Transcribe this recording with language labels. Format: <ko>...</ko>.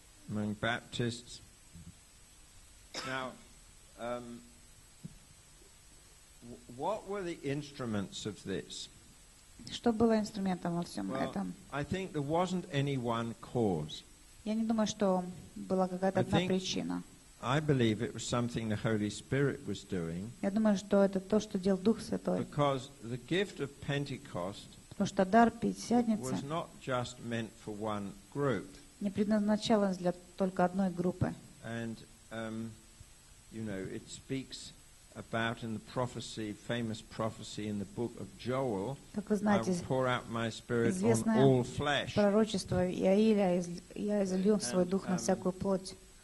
<en>Among Baptists. Now, what were the instruments of this?</en> <ru>Что было инструментом во всем этом?</ru> <en>I think there wasn't any one cause.</en> <ru>Я не думаю, что была какая-то одна причина.</ru> <en>I believe it was something the Holy Spirit was doing.</en> <ru>Я думаю, что это то, что делал Дух Святой.</ru> <en>Because the gift of Pentecost,</en> <ru>потому что дар пятидесятницы,</ru> <en>was not just meant for one group.</en> <ru>Не предназначалось для только одной группы.</ru> <en>And you know, it speaks about in the prophecy, famous prophecy in the book of Joel.</en> <ru>Как вы знаете,</ru> <en>I will pour out my spirit on all flesh.</en> <ru>Пророчество Иаиля, я излью свой дух на всякую плоть.</ru>